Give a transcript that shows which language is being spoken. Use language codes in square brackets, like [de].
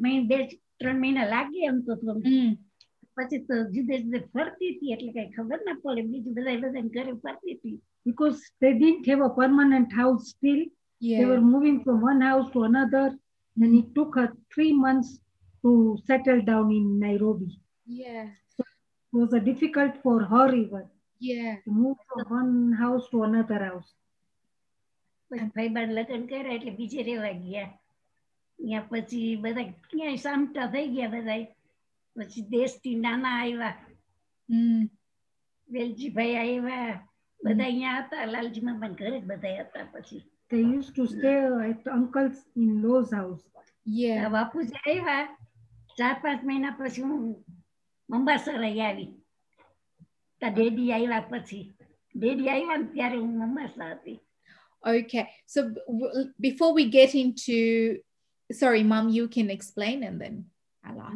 [gu] બે ત્રણ મહિના લાગ્યા એમ તો, પછી તો જુદે જુદે ફરતી હતી એટલે કઈ ખબર ના પડે, બીજું બધા ઘરે ફરતી હતી. [en] Because તે didn't have a permanent house still. Yeah. They were moving from one house to another, and it took her 3 months to settle down in Nairobi. Yeah. So it was difficult for her even. Yeah. Move from one house to another house. They used to stay at uncle's in law's house. Yeah. [gu] બાપુ આવ્યા ચાર પાંચ મહિના પછી હું મંબાસર આવી daddy આવ્યા પછી daddy આવ્યા ને ત્યારે હું મંબાસર હતી. [en] Okay, so before we get into, sorry, mom, you can explain and then I'll ask.